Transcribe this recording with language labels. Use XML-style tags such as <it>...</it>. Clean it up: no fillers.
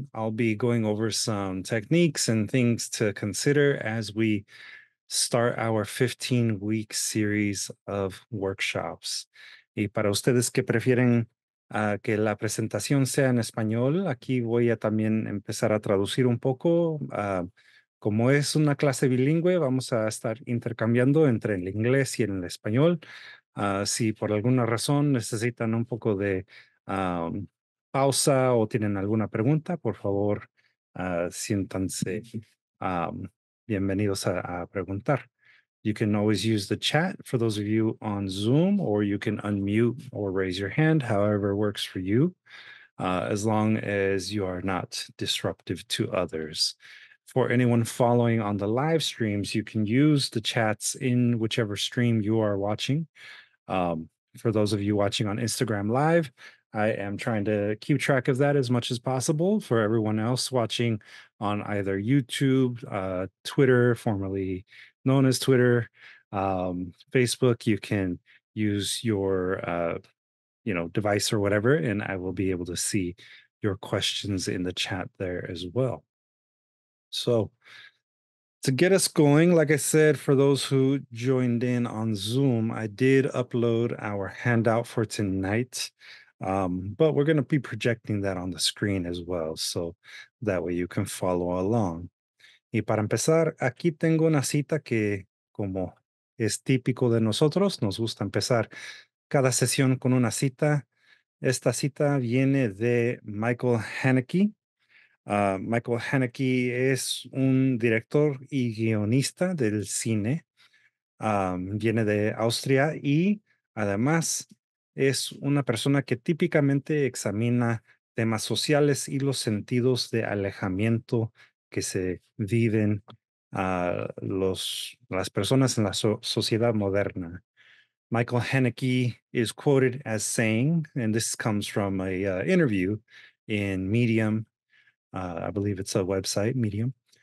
<en>I'll be going over some techniques and things to consider as we start our 15-week series of workshops.</en> <es>Y para ustedes que prefieren que la presentación sea en español, aquí voy a también empezar a traducir un poco. Como es una clase bilingüe, vamos a estar intercambiando entre el inglés y el español. Si por alguna razón necesitan un poco de pausa o tienen alguna pregunta, por favor, siéntanse bienvenidos a preguntar.</es> <en>You can always use the chat for those of you on Zoom, or you can unmute or raise your hand, however works for you, as long as you are not disruptive to others. For anyone following on the live streams, you can use the chats in whichever stream you are watching. For those of you watching on Instagram Live, I am trying to keep track of that as much as possible. For everyone else watching on either YouTube, Twitter, formerly known as Twitter, Facebook, you can use your device or whatever, and I will be able to see your questions in the chat there as well. So to get us going, like I said, for those who joined in on Zoom, I did upload our handout for tonight, but we're going to be projecting that on the screen as well, so that way you can follow along.</en> <es>Y para empezar, aquí tengo una cita que, como es típico de nosotros, nos gusta empezar cada sesión con una cita. Esta cita viene de Michael Haneke. Michael Haneke es un director y guionista del cine. Viene de Austria y además es una persona que típicamente examina temas sociales y los sentidos de alejamiento que se viven las personas en la sociedad moderna.</es> <en>Michael Haneke is quoted as saying, and this comes from a interview in Medium, I believe it's a website, Medium.</en>